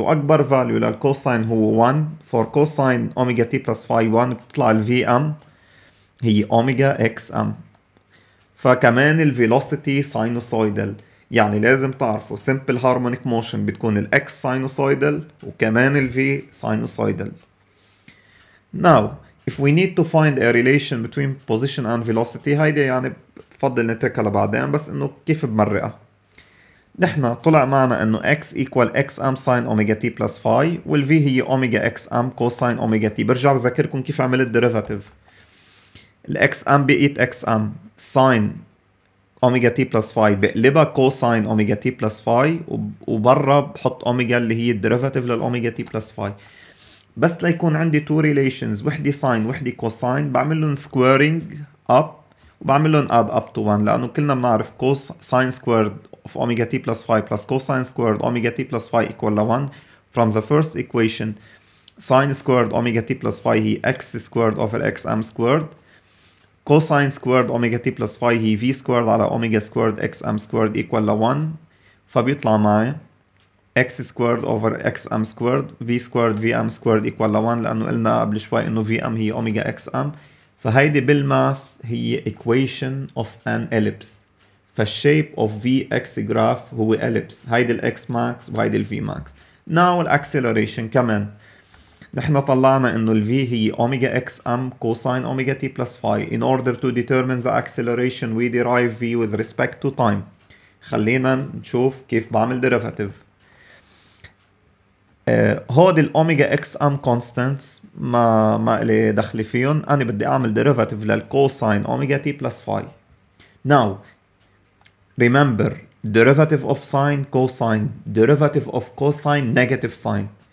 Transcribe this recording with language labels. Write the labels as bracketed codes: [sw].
[ar] واكبر فاليو للكوساين هو 1، فور كوساين اوميجا t plus phi 1 بتطلع ال vm هي اوميجا xm. فكمان الفيلوسيتي ساينوسويدال، يعني لازم تعرفوا simple harmonic motion بتكون ال x sinusoidal وكمان ال v sinusoidal. [en] Now if we need to find a relation between position and velocity، [ar] هيدي يعني بفضل نتركها لبعدين، بس انه كيف بمرقها. نحنا طلع معنا انه [en] x equal xm sin omega t plus phi وال v هي omega xm cosine omega t. [ar] برجع بذكركم كيف عملت derivative. ال xm بقيت xm sin أوميجا تي بلس فاي بقلبها كوساين أوميجا تي بلس فاي، وبرا بحط أوميجا اللي هي الديريفاتيف للأوميجا تي بلس فاي. بس ليكون عندي two relations، واحدة ساين واحدة كوساين، بعملهم squaring up وبعملهم [en] add up to one، [ar] لأنه كلنا بنعرف cosine squared of أوميجا تي بلس فاي plus cosine squared أوميجا تي بلس فاي equal to one. [en] From the first equation sine squared omega t plus phi هي x squared over xm squared، cosine squared omega t plus phi هي v squared على omega squared xm squared equal to 1. فبيطلع معي x squared over xm squared v squared vm squared equal to 1، [ar] لأنه قلنا قبل شوي إنه [en] vm هي omega xm. [ar] فهيدي بالماث هي [en] equation of an ellipse، فالshape of vx graph هو ellipse. [ar] هيدي ال x max وهيدي ال v max. [en] Now acceleration [ar] كمان نحن طلعنا انه [en] ال v هي omega xm cosine omega t plus phi. In order to determine the acceleration we derive v with respect to time. [ar] خلينا نشوف كيف بعمل derivative. هودي الاوميجا xm constants [en] ما لي دخل فيهم، [ar] انا بدي اعمل derivative للcosine omega t plus phi. [en] Now remember derivative of sine cosine، derivative of cosine negative sine.